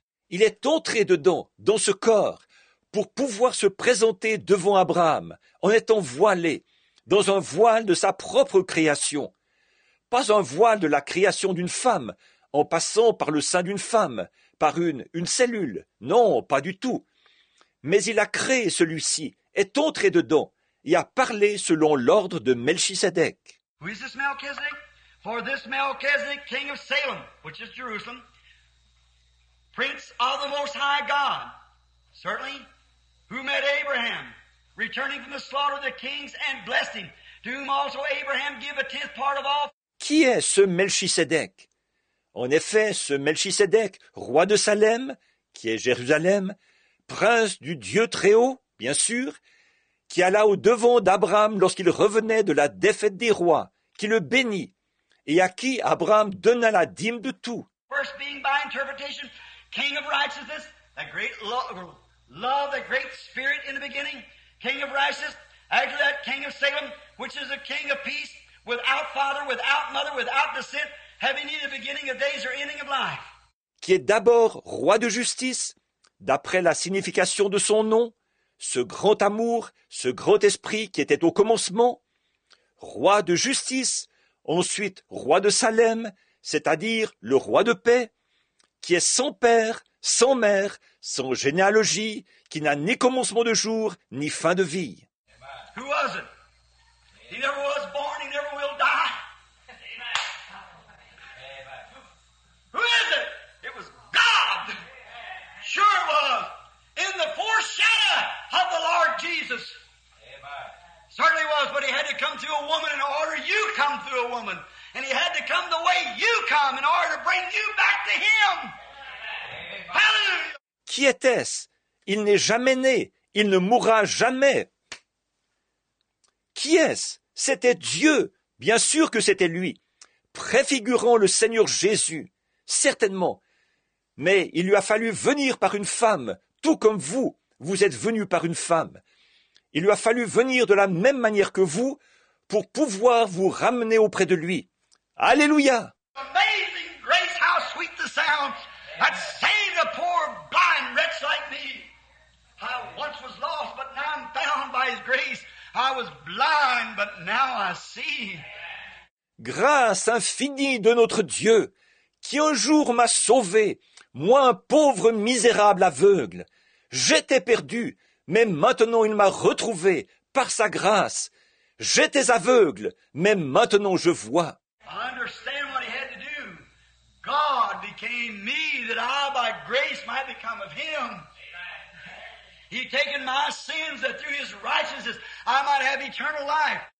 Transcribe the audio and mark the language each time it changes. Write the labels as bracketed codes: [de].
[fr] Il est entré dedans, dans ce corps, pour pouvoir se présenter devant Abraham, en étant voilé, dans un voile de sa propre création. Pas un voile de la création d'une femme, en passant par le sein d'une femme, par une cellule. Non, pas du tout. Mais il a créé celui-ci, est entré dedans, et a parlé selon l'ordre de Melchisédek. Qui est ce Melchisédek? [en] For this Melchisédek, king of Salem, which is Jerusalem, Prince of the Most High God, certainly, who met Abraham, returning from the slaughter of the kings, and blessed him, to whom also Abraham gave a tenth part of all. [fr] Qui est ce Melchisédek? En effet, ce Melchisédek, roi de Salem, qui est Jérusalem, prince du Dieu Très-Haut, bien sûr, qui alla au-devant d'Abraham lorsqu'il revenait de la défaite des rois, qui le bénit, et à qui Abraham donna la dîme de tout. [en] First being by interpretation, King of righteousness, that great love, that great spirit in the beginning, King of righteousness, after that King of Salem, which is a king of peace, without father, without mother, without descent, having neither beginning of days or ending of life. [fr] Qui est d'abord roi de justice, d'après la signification de son nom, ce grand amour, ce grand esprit qui était au commencement, roi de justice, ensuite roi de Salem, c'est-à-dire le roi de paix, qui est sans père, sans mère, sans généalogie, qui n'a ni commencement de jour, ni fin de vie. [en] Who was it? He never was born, he never will die. Amen. Who is it? It was God. Sure it was. In the foreshadow of the Lord Jesus. Amen. Certainly was, but he had to come through a woman in order you come through a woman. And he had to come the way you come in order to bring you back to him. Hallelujah. [fr] Qui était-ce? Il n'est jamais né. Il ne mourra jamais. Qui est-ce? C'était Dieu. Bien sûr que c'était lui. Préfigurant le Seigneur Jésus. Certainement. Mais il lui a fallu venir par une femme, tout comme vous, vous êtes venu par une femme. Il lui a fallu venir de la même manière que vous pour pouvoir vous ramener auprès de lui. Alléluia! [en] Amazing grace, how sweet the sound that saved a poor blind wretch like me. I once was lost, but now I'm found by his grace. I was blind, but now I see. [fr] Grâce infinie de notre Dieu, qui un jour m'a sauvé, moi un pauvre misérable aveugle. J'étais perdu, mais maintenant il m'a retrouvé par sa grâce. J'étais aveugle, mais maintenant je vois. [en] I understand what he had to do. God became me that I by grace might become of him. Amen. He taken my sins that through his righteousness I might have eternal life.